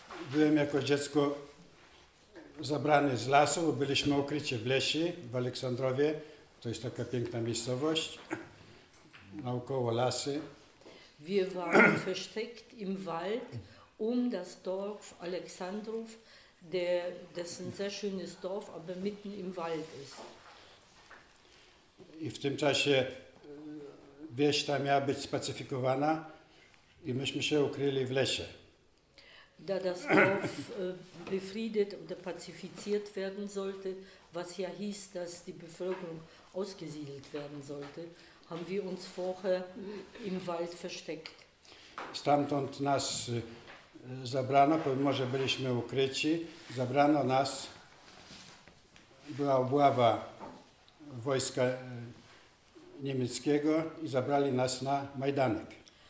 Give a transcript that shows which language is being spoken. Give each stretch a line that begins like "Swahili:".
Polish: Byłem jako dziecko zabrany z lasu, bo byliśmy ukryci w lesie w Aleksandrowie. To jest taka piękna miejscowość, naokoło lasy.
German: Wir waren versteckt im Wald um das Dorf Aleksandrów, dessen sehr schönes Dorf, aber mitten im Wald ist.
Polish: I w tym czasie wieś ta miała być spacyfikowana i myśmy się ukryli w lesie.
German: Da das Dorf befriedet oder pacifiziert werden sollte, was ja hieß, dass die Bevölkerung ausgesiedelt werden sollte, haben wir uns vorher im Wald versteckt.
Polish: Stamtąd nas zabrano, pomimo że byliśmy ukryci, zabrano nas, była obława wojska niemieckiego i zabrali nas na Majdanek.